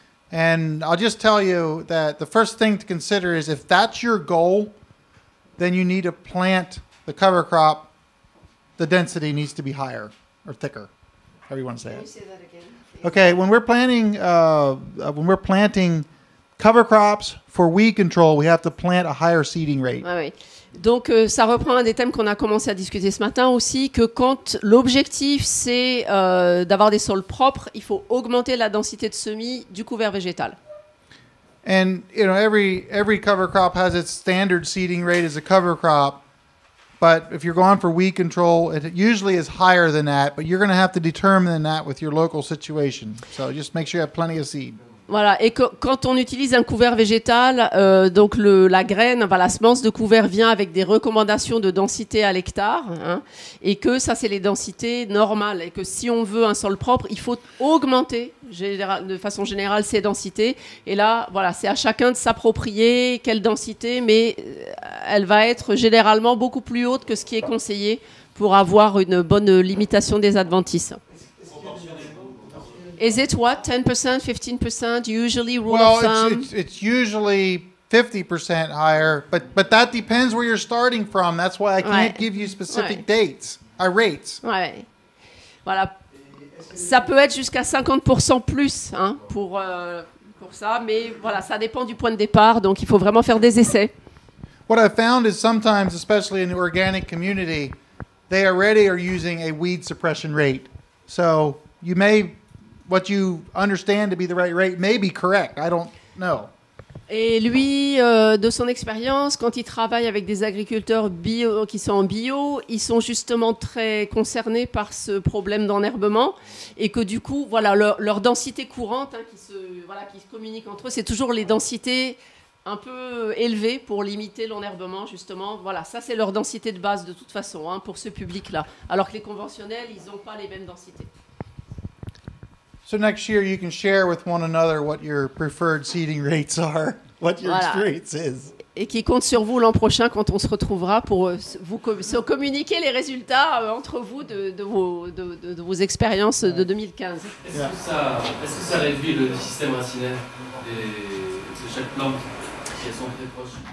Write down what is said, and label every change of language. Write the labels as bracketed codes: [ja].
[en] And I'll just tell you that the first thing to consider is if that's your goal, then you need to plant the cover crop. The density needs to be higher or thicker, however you want to say it. Can you say that again? Okay, when we're planting cover crops for weed control, we have to plant a higher seeding rate. [fr] Ah oui. Donc, ça reprend un des thèmes qu'on a commencé à discuter ce matin aussi, que quand l'objectif, c'est d'avoir des sols propres, il faut augmenter la densité de semis du couvert végétal. [en] And, you know, every cover crop has its standard seeding rate as a cover crop. But if you're going for weed control, it usually is higher than that. But you're going to have to determine that with your local situation. So just make sure you have plenty of seed. [fr] Voilà. Et quand on utilise un couvert végétal, donc la graine, enfin, la semence de couvert vient avec des recommandations de densité à l'hectare. Hein, et que ça, c'est les densités normales. Et que si on veut un sol propre, il faut augmenter de façon générale ces densités. Et là, voilà, c'est à chacun de s'approprier quelle densité, mais elle va être généralement beaucoup plus haute que ce qui est conseillé pour avoir une bonne limitation des adventices. [en] Is it what, 10%, 15%, usually rule of thumb? Well, it's usually 50% higher, but that depends where you're starting from. That's why I can't give you specific dates, rates. [fr] Ouais. Voilà. Ça peut être jusqu'à 50% plus hein, pour ça, mais voilà, ça dépend du point de départ, donc il faut vraiment faire des essais. [en] What I've found is sometimes, especially in the organic community, they already are using a weed suppression rate. So you may... What you understand to be the right rate may be correct. I don't know. [fr] Et lui, de son expérience, quand il travaille avec des agriculteurs bio, qui sont en bio, ils sont justement très concernés par ce problème d'enherbement et que du coup, voilà, leur densité courante hein, qui se communique entre eux, c'est toujours les densités un peu élevées pour limiter l'enherbement, justement. Voilà, ça, c'est leur densité de base de toute façon hein, pour ce public-là. Alors que les conventionnels, ils n'ont pas les mêmes densités. [en] So next year you can share with one another what your preferred seeding rates are, what your experience is. [fr] Et qui compte sur vous l'an prochain quand on se retrouvera pour vous communiquer les résultats entre vous de vos expériences de 2015. Est-ce que ça réduit le système racinaire de chaque plante qui est très proche?